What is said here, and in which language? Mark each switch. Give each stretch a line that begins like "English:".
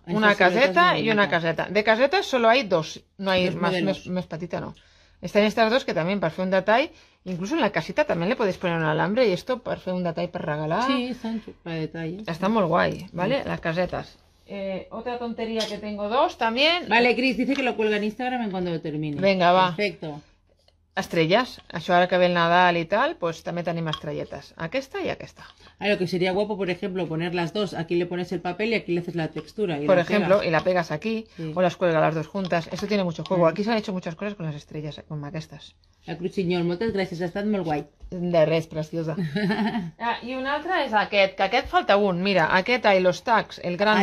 Spanish: Esta una silueta caseta y una caseta. De casetas solo hay dos. No hay más patita, no. Están estas dos que también para hacer un detalle. Incluso en la casita también le podéis poner un alambre. Y esto para hacer un detalle para regalar. Sí, están para detalles. Está muy guay, ¿vale? Sí. Las casetas. Otra tontería que tengo dos también. Vale, Cris, dice que lo cuelga en Instagram en cuando lo termine. Venga, va. Perfecto.
Catalan: Estrellas, això ara que ve el Nadal i tal, pues també tenim estrelletes, aquesta i aquesta.
Spanish: Ah, lo que sería guapo, por ejemplo, poner las dos, aquí le pones el papel y aquí le haces la textura. Por ejemplo, y la pegas aquí, sí. O las cuelga las dos juntas, esto tiene mucho juego. Aquí se han hecho muchas cosas con las estrellas, con aquestes.
Catalan: La Cruxinyol, moltes gràcies, ha estat molt guai. De res, preciosa. Ah, i un altre és aquest, que aquest falta un, mira, aquest
Spanish: hay los tags, el grande.